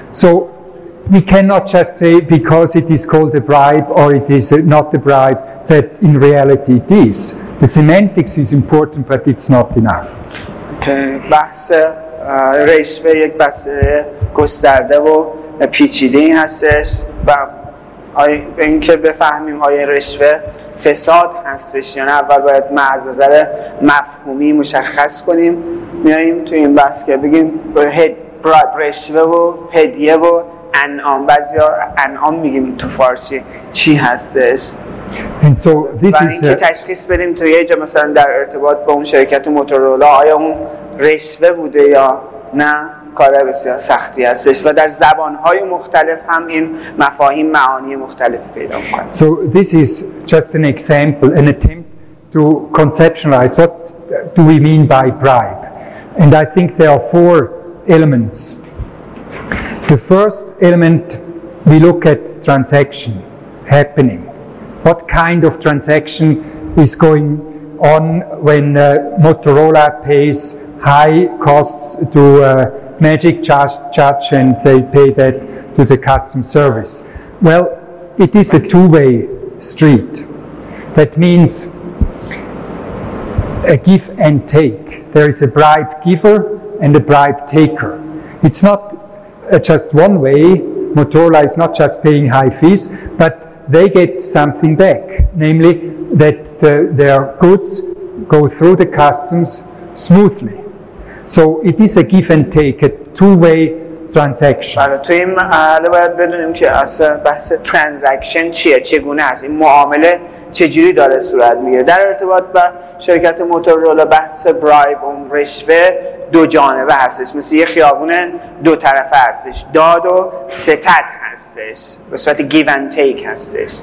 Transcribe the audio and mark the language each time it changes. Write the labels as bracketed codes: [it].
[en] So we cannot just say because it is called a bribe or it is not a bribe that in reality it is. The semantics is important, but it's not enough. [fa] فساد هستش یا نه، اول باید ما از نظر مفهومی مشخص کنیم. میاییم تو این بحث که بگیم رشوه و هدیه و انعام، بعضی ها انعام میگیم تو فارسی چی هستش، و اینکه تشخیص بدیم تو یه جا مثلا در ارتباط با اون شرکت موتورولا آیا اون رشوه بوده یا نه، کار بسیار سختی هستش و در زبانهای مختلف هم این مفاهیم معانی مختلف پیدا میکنه. [en] So this is just an example, an attempt to conceptualize what do we mean by bribe. And I think there are four elements. The first element, we look at transaction happening. What kind of transaction is going on when Motorola pays high costs to Magic Judge and they pay that to the customs service? Well, it is a two-way street. That means a give and take. There is a bribe giver and a bribe taker. It's not just one way. Motorola is not just paying high fees, but they get something back, namely that their goods go through the customs smoothly. So it is a give and take, a two-way transaction. [fa] تو این محله باید بدونیم که اصلا بحث ترانزکشن چیه، چگونه هست، این معامله چجوری داره صورت میگه. در ارتباط با شرکت موتورولا بحث برایب و رشوه دو جانبه هستش، مثل یه خیابون دو طرفه هستش، داد و ستد هستش، به صورت give and take هستش.